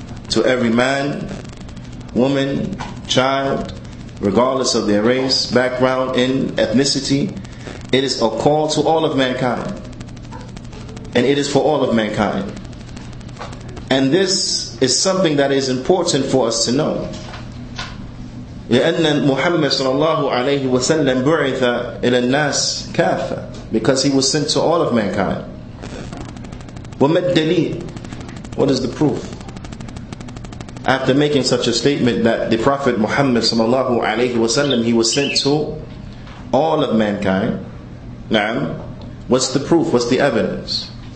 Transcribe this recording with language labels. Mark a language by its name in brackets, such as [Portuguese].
[English] To every man, woman, child, regardless of their race, background, and ethnicity, it is a call to all of mankind. And it is for all of mankind. And this is something that is important for us to know. [Arabic] لأن محمد صلى الله عليه وسلم بعث إلى الناس كافة. [English] Because he was sent to all of mankind. [Arabic] وما الدليل? [English] What is the proof? After making such a statement that the Prophet Muhammad [Arabic] صلى الله عليه وسلم, [English] he was sent to all of mankind. نعم. What's the proof? What's the evidence?